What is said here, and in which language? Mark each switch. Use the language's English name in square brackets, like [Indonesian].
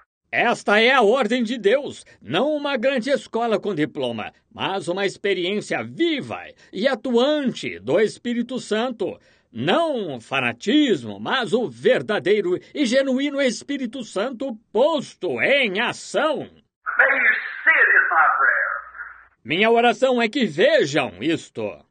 [Portuguese] Esta é a ordem de Deus, não uma grande escola com diploma, mas uma experiência viva e atuante do Espírito Santo. Não o fanatismo, mas o verdadeiro e genuíno Espírito Santo posto em ação. [English] May you see it is my prayer. [Portuguese] Minha oração é que vejam isto.